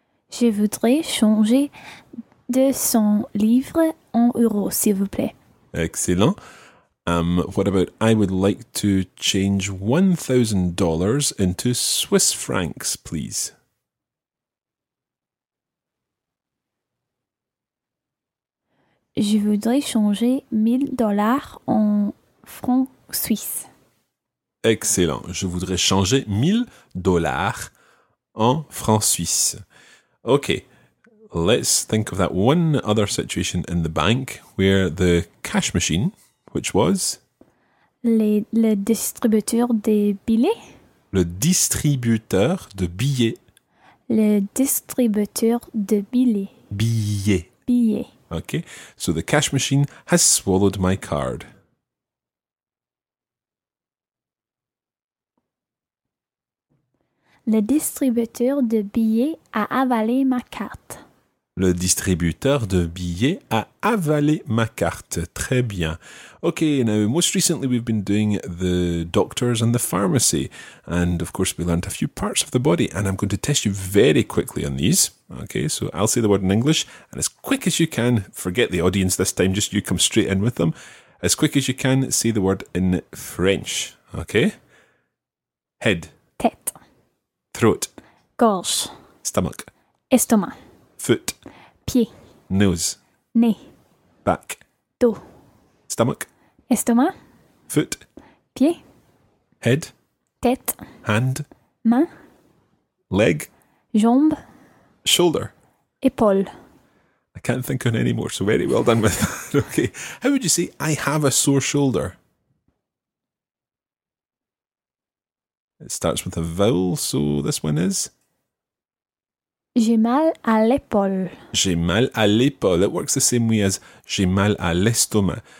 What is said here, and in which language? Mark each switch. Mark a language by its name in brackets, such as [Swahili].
[French] Je voudrais changer 200 livres en euros, s'il vous plaît. [English] Excellent. What about, I would like to change $1,000 into Swiss francs, please. [French] Je voudrais changer $1,000 en francs suisses. [English] Excellent. [French] Je voudrais changer 1,000 dollars en francs suisses. [English] Okay. Let's think of that one other situation in the bank where the cash machine, which was? [French] Le distributeur de billets. Le distributeur de billets. Le distributeur de billets. Billets. Billets. [English] Okay. So the cash machine has swallowed my card. [French] Le distributeur de billets a avalé ma carte. Le distributeur de billets a avalé ma carte. Très bien. [English] Okay, now, most recently we've been doing the doctors and the pharmacy. And, of course, we learned a few parts of the body. And I'm going to test you very quickly on these. Okay, so I'll say the word in English. And as quick as you can, forget the audience this time, just you come straight in with them. As quick as you can, say the word in French. Okay? Head. [French] Tête. [English] Throat. [French] Gorge. [English] Stomach. [French] Estomac. [English] Foot. [French] Pied. [English] Nose. [French] Nez. [English] Back. [French] Dos. [English] Stomach. [French] Estomac. [English] Foot. [French] Pied. [English] Head. [French] Tête. [English] Hand. [French] Main. [English] Leg. [French] Jambe. [English] Shoulder. [French] Épaule. [English] I can't think on any more, so very well done with that. Okay. How would you say, I have a sore shoulder? It starts with a vowel, so this one is? [French] J'ai mal à l'épaule. J'ai mal à l'épaule. [English] It works the same way as [French] j'ai mal à l'estomac.